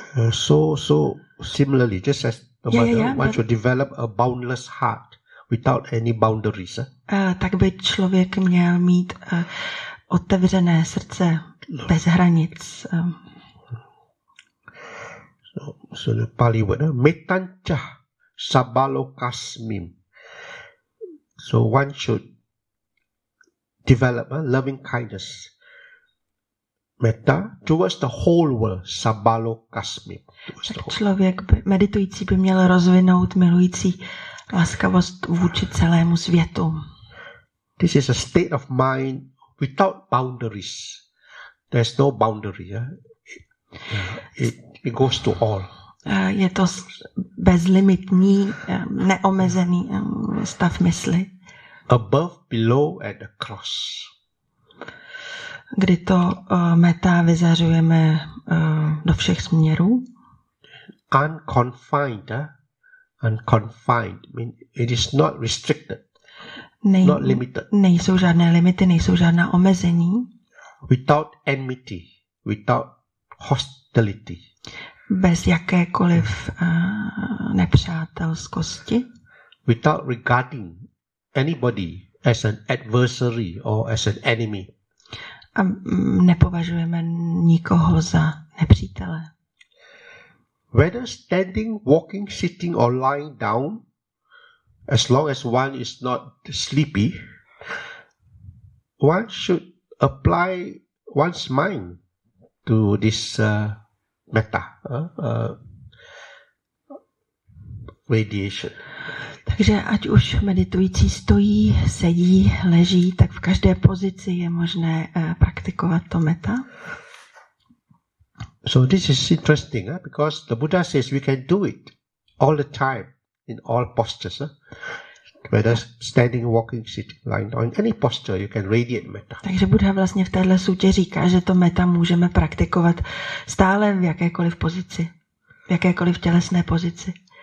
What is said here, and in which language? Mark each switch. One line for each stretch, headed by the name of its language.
English: So similarly, just as the mother, one should develop a boundless heart without any boundaries.
Czech: Tak by člověk měl mít otevřené srdce bez hranic.
English: So the Pali word,
Pali: metancha sabalokasmim.
English: So one should develop loving kindness, metta, towards the whole world, sabalokasmim.
Czech: Člověk, meditující by měl rozvinout milující laskavost vůči celému světu.
English: This is a state of mind without boundaries. There's no boundary. It goes to all.
Czech: Je to bezlimitní, neomezený stav mysli.
English: Above, below, and across.
Czech: kdy to metta vyzařujeme do všech směrů.
English: Unconfined, unconfined, mean it is not restricted, not limited.
Czech: Nejsou žádné limity, nejsou žádná omezení.
English: Without enmity, without hostility.
Czech: Bez jakékoliv nepřátelskosti.
English: Without regarding anybody as an adversary or as an enemy.
Czech: A nepovažujeme nikoho za nepřítele.
English: Whether standing, walking, sitting or lying down, as long as one is not sleepy, one should apply one's mind to this metta, radiation.
Czech: Takže ať už meditující stojí, sedí, leží, tak v každé pozici je možné praktikovat to metta.
English: So this is interesting, because the Buddha says we can do it all the time in all postures, whether standing, walking, sitting, lying down, any posture you can radiate metta.
Czech: Takže Buddha vlastně v téhle sutě říká, že to metta můžeme praktikovat stále v jakékoliv pozici, v jakékoliv tělesné pozici.